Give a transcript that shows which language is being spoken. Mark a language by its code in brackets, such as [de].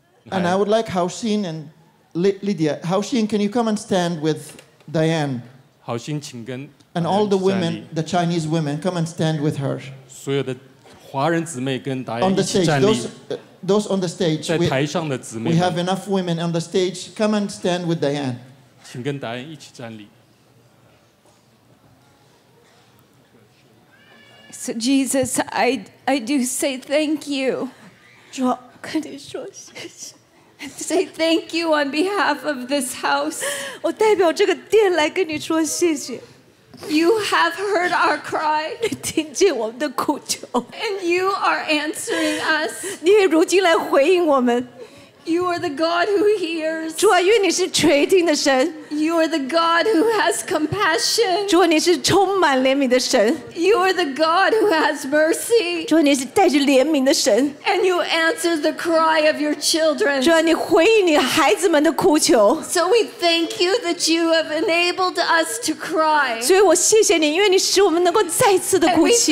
[en] And I would like Hao Xin and Lydia. Hao Xin, can you come and stand with Diane? [zh] 好心请跟。 [en] And all the women, the Chinese women, come and stand with her. [zh] 所有的华人姊妹跟达雅一起站立。 [en] On the stage, those on the stage, [zh] 在台上的姊妹们。 [en] We have enough women on the stage. Come and stand with Diane. [zh] 请跟达雅一起站立。 [en] So Jesus, I do say thank you. [zh] 主，跟你说谢谢。 [en] Say thank you on behalf of this house. [zh] 我代表这个殿来跟你说谢谢。 [en] You have heard our cry. [zh] 你听见我们的哭求。 [en] And you are answering us. [zh] 你也如今来回应我们。 [en] You are the God who hears. [zh] 主啊，因为你是垂听的神。 [en] You are the God who has compassion. [zh] 主啊，你是充满怜悯的神。 [en] You are the God who has mercy. [zh] 主啊，你是带着怜悯的神。 [en] And you answer the cry of your children. [zh] 主啊，你回应你孩子们的哭求。 [en] So we thank you that you have enabled us to cry. [zh] 所以我谢谢你，因为你使我们能够再次的哭泣。